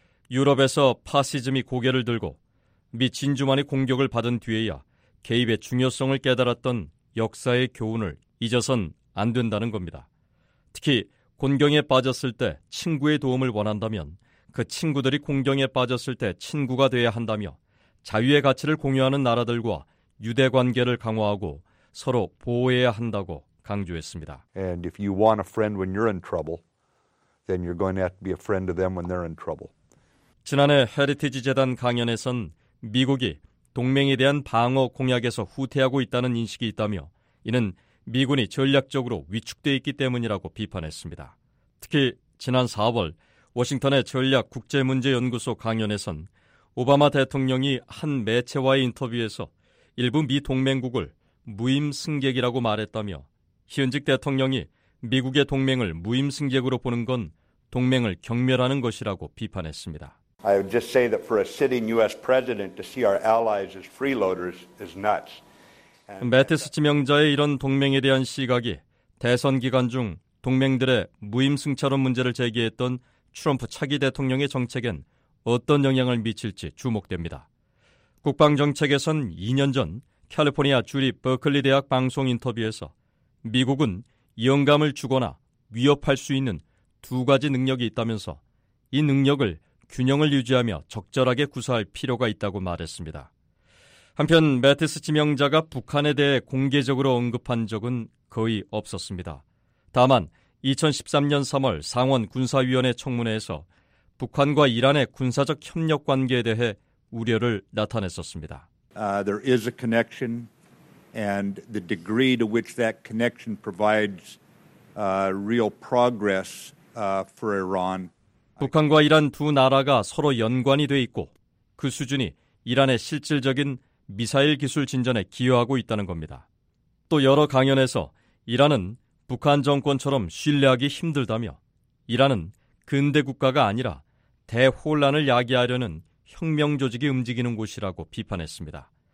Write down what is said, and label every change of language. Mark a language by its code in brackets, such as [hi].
[ko] 유럽에서 파시즘이 고개를 들고 미 진주만이 공격을 받은 뒤에야 개입의 중요성을 깨달았던 역사의 교훈을 잊어선 안 된다는 겁니다. 특히 곤경에 빠졌을 때 친구의 도움을 원한다면 그 친구들이 곤경에 빠졌을 때 친구가 돼야 한다며 자유의 가치를 공유하는 나라들과 유대 관계를 강화하고 서로 보호해야 한다고 강조했습니다. [en] And if you want a friend when you're in trouble, then you're going to have to be a friend to them when they're in trouble. [ko] 지난해 헤리티지 재단 강연에선 미국이 동맹에 대한 방어 공약에서 후퇴하고 있다는 인식이 있다며 이는 미군이 전략적으로 위축돼 있기 때문이라고 비판했습니다. 특히 지난 4월 워싱턴의 전략 국제문제연구소 강연에선 오바마 대통령이 한 매체와의 인터뷰에서 일부 미 동맹국을 무임승객이라고 말했다며 현직 대통령이 미국의 동맹을 무임승객으로 보는 건 동맹을 경멸하는 것이라고 비판했습니다. [en] I would just say that for a sitting U.S. president to see our allies as freeloaders is nuts. [ko] 매티스 지명자의 이런 동맹에 대한 시각이 대선 기간 중 동맹들의 무임승차론 문제를 제기했던 트럼프 차기 대통령의 정책엔 어떤 영향을 미칠지 주목됩니다. 국방정책에선 2년 전 캘리포니아 주립 버클리 대학 방송 인터뷰에서 미국은 영감을 주거나 위협할 수 있는 두 가지 능력이 있다면서 이 능력을 균형을 유지하며 적절하게 구사할 필요가 있다고 말했습니다. 한편 매티스 지명자가 북한에 대해 공개적으로 언급한 적은 거의 없었습니다. 다만 2013년 3월 상원 군사위원회 청문회에서 북한과 이란의 군사적 협력 관계에 대해 우려를 나타냈었습니다. [en] There is a connection and the degree to which that connection provides real progress for Iran. [ko] 북한과 이란 두 나라가 서로 연관이 돼 있고 그 수준이 이란의 실질적인 미사일 기술 진전에 기여하고 있다는 겁니다. 또 여러 강연에서 이란은 북한 정권처럼 신뢰하기 힘들다며 이란은 근대 국가가 아니라 대혼란을 야기하려는 혁명 조직이 움직이는 곳이라고 비판했습니다.